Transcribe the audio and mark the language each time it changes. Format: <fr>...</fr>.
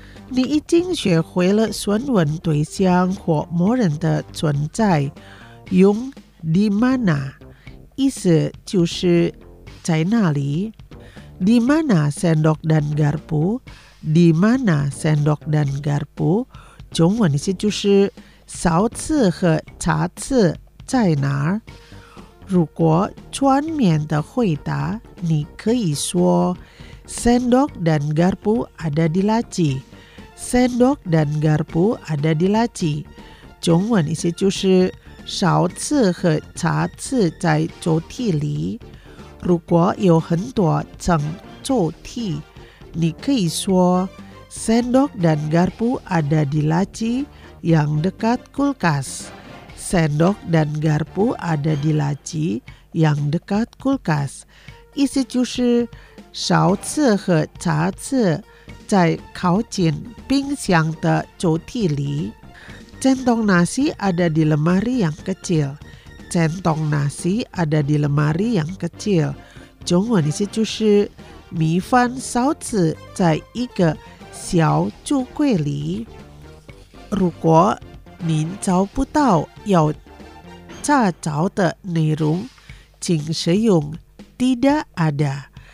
<zh>你已经学会了询问对象或某人的存在，用 di mana 意思就是在那里。</zh> <id>di mana sendok dan garpu? di mana sendok dan garpu?</id> <zh>中文意思就是勺子和叉子在哪儿。如果全面的回答，你可以说</zh> <id>sendok dan garpu ada di laci。 Sendok dan garpu ada di laci.</id> <zh>中文意思就是勺子和叉子在抽屉里。如果有很多整座梯，你可以说</zh> <id>sendok dan garpu ada di laci yang dekat kulkas. Sendok dan garpu ada di laci yang dekat kulkas.</id> <zh>意思就是勺子和茶子在靠近冰箱的抽屉里。</zh> <id>Centong nasi ada di lemari yang kecil. Centong nasi ada di lemari yang kecil.</id> <zh>中文意思就是米饭勺子在一个小橱柜里。如果您找不到要查找的内容，请使用 tidak ada。</zh>